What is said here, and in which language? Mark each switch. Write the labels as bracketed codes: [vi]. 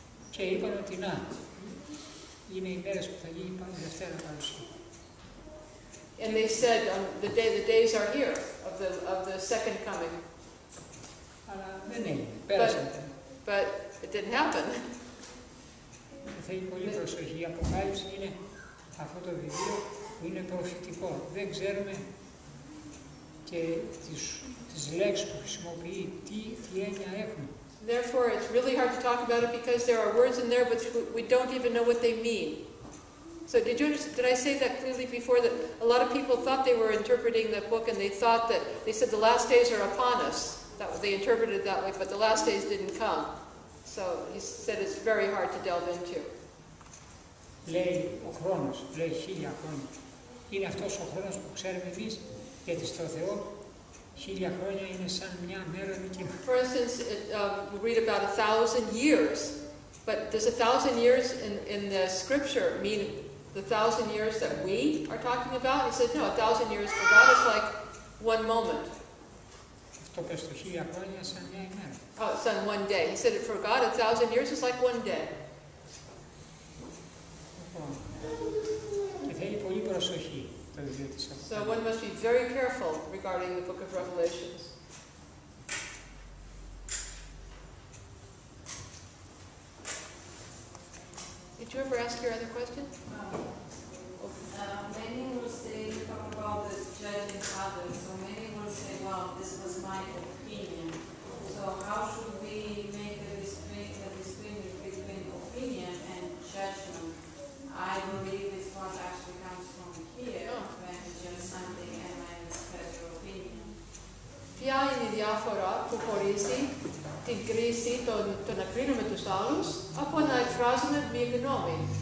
[el] Και είπαν ότι να, είναι οι μέρες που θα γίνει πάλι δευτέρα παρουσία. [en] And they said the days are here of the second coming. [el] Αλλά δεν είναι, πέρασαν. [en] But it didn't happen. [el] Θέλει πολύ προσοχή. Η Αποκάλυψη είναι αυτό το βιβλίο. Είναι προφητικό. Δεν ξέρουμε και τις λέξεις που χρησιμοποιεί, τι έννοια έχουν. [en] Therefore, it's really hard to talk about it because there are words in there, but we don't even know what they mean. So, did I say that clearly before, that a lot of people thought they were interpreting that book and they thought that they said the last days are upon us. That they interpreted that way, but the last days didn't come. So he said it's very hard to delve into. [el] Λέει ο χρόνος, λέει χίλια χρόνια. Είναι αυτός ο χρόνος που ξέρουμε εμείς, γιατί στο Θεό χίλια χρόνια είναι σαν μια μέρα δική μας. [en] For instance, we read about 1,000 years, but does 1,000 years in the scripture mean the 1,000 years that we are talking about? He said, no, 1,000 years for God is like one moment. [el] Αυτό πες το χίλια χρόνια σαν μια ημέρα. [en] Oh, σαν one day. He said, for God, 1,000 years is like one day. Και θέλει πολύ προσοχή το βιβλίο της Αποκάλυψης. So one must be very careful regarding the book of Revelations. Did you ever ask your other question? Many will say, you talk about the judging others, so many will say, well, this was my opinion. So how should we make a distinction between opinion and judgment? I believe it's what actually comes from here, when it's just something and I express your opinion. [el] Ποια είναι η διάφορα που χωρίζει την κρίση το να κρίνουμε τους άλλους από να εκφράζουμε μία γνώμη?